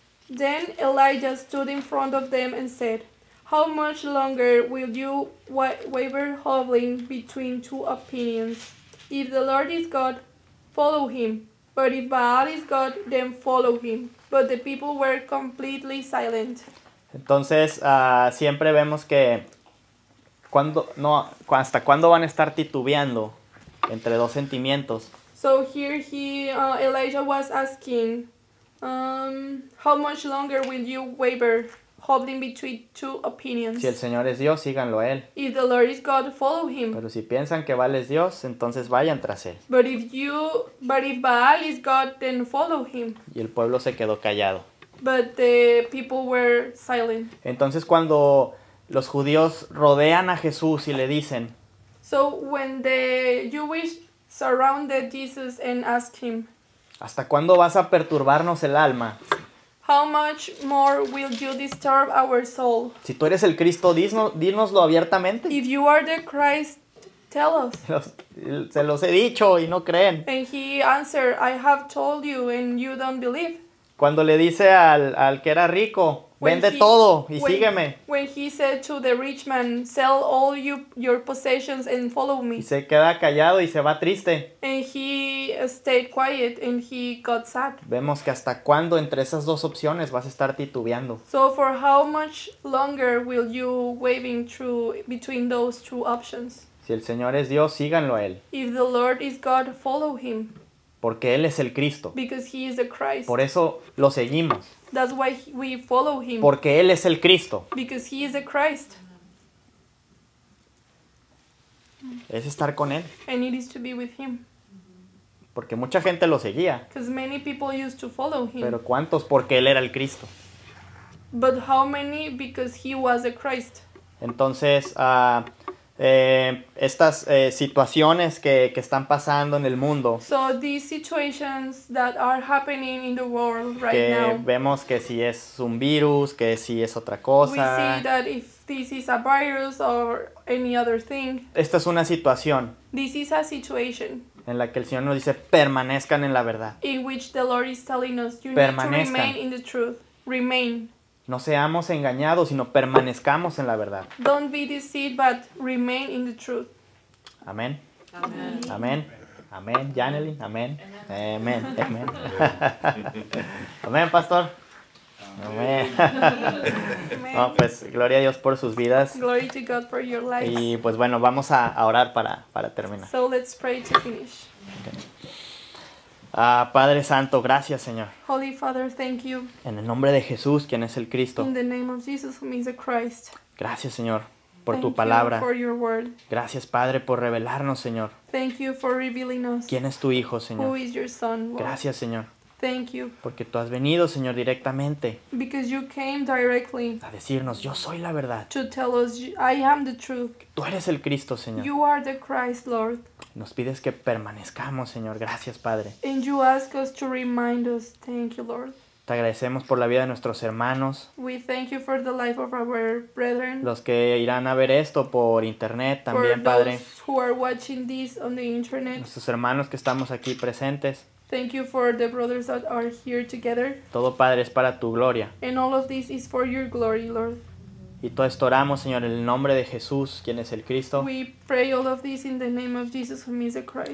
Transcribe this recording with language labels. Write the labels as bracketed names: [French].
[English] Then Elijah stood in front of them and said, "How much longer will you waver hobbling between two opinions? If the Lord is God, follow him. But if Baal is God, then follow him." But the people were completely silent. [Spanish] Entonces, siempre vemos que hasta cuándo van a estar titubeando entre dos sentimientos. [English] So here Elijah was asking, how much longer will you waver, hobbling between two opinions? [Spanish] Si el Señor es Dios, síganlo a él. [English] If the Lord is God, follow him. [Spanish] Pero si piensan que Baal es Dios, entonces vayan tras él. [English] But if Baal is God, then follow him. [Spanish] Y el pueblo se quedó callado. [English] But the people were silent. [Spanish] Entonces cuando los judíos rodean a Jesús y le dicen. [English] So when the Jewish surrounded Jesus and asked him. [Spanish] ¿Hasta cuándo vas a perturbarnos el alma? [English] How much more will you disturb our soul? [Spanish] Si tú eres el Cristo, dínoslo abiertamente. [English] If you are the Christ, tell us. [Spanish] Se los he dicho y no creen. [English] And he answered, I have told you and you don't believe. [Spanish] Cuando le dice al que era rico, vende todo y sígueme. [English] When he said to the rich man, sell all your possessions and follow me. [Spanish] Y se queda callado y se va triste. [English] And he stayed quiet and he got sad. [Spanish] Vemos que hasta cuándo entre esas dos opciones vas a estar titubeando. [English] So for how much longer will you waving through between those two options? [Spanish] Si el Señor es Dios, síganlo a él. [English] If the Lord is God, follow him. [Spanish] Porque él es el Cristo. [English] Because he is the Christ. [Spanish] Por eso lo seguimos. [English] That's why we follow him. [Spanish] Porque él es el Cristo. [English] Because he is the Christ. [Spanish] Es estar con él. [English] And it is to be with him. [Spanish] Porque mucha gente lo seguía. [English] Because many people used to follow him. [Spanish] Pero ¿cuántos? Porque él era el Cristo. [English] But how many? Because he was the Christ. [Spanish] Entonces, estas situaciones que están pasando en el mundo. [English] So these situations that are happening in the world right [Spanish] que [English] now. [Spanish] Vemos que si es un virus, que si es otra cosa. [English] We see that if this is a virus or any other thing. [Spanish] Esta es una situación. [English] This is a situation. [Spanish] En la que el Señor nos dice permanezcan en la verdad. [English] In which the Lord is telling us you need to remain in the truth. Remain. [Spanish] No seamos engañados, sino permanezcamos en la verdad. [English] Don't be deceived, but remain in the truth. [Spanish] Amén. Amén. Amén. Amén. Janelin, amén. Amén. Amén. Amén, pastor. Amén. No, pues, gloria a Dios por sus vidas. [English] Glory to God for your life. [Spanish] Y pues bueno, vamos a orar para terminar. [English] So let's pray to finish. Okay. [Spanish] Padre Santo, gracias, Señor. [English] Holy Father, thank you. [Spanish] En el nombre de Jesús, quien es el Cristo. [English] In the name of Jesus, who means the Christ. [Spanish] Gracias, Señor, por [English] thank [Spanish] tu palabra. [English] You for your word. [Spanish] Gracias, Padre, por revelarnos, Señor. [English] Thank you for revealing us. [Spanish] ¿Quién es tu hijo, Señor? [English] Who is your son, Lord? [Spanish] Gracias, Señor. [English] Thank you. [Spanish] Porque tú has venido, Señor, directamente. [English] Because you came directly. [Spanish] A decirnos, yo soy la verdad. [English] To tell us, I am the truth. [Spanish] Tú eres el Cristo, Señor. [English] You are the Christ, Lord. [Spanish] Nos pides que permanezcamos, Señor. Gracias, Padre. [English] And you ask us to remind us. Thank you, Lord. [Spanish] Te agradecemos por la vida de nuestros hermanos. [English] We thank you for the life of our brethren. [Spanish] Los que irán a ver esto por internet también, Padre. [English] For those who are watching this on the internet. [Spanish] Nuestros hermanos que estamos aquí presentes. [English] Thank you for the brothers that are here together. [Spanish] Todo, Padre, es para tu gloria. [English] And all of this is for your glory, Lord. [Spanish] Y todo esto oramos, Señor, en el nombre de Jesús, quien es el Cristo. [English] We pray all of this in the name of Jesus, who is the Christ.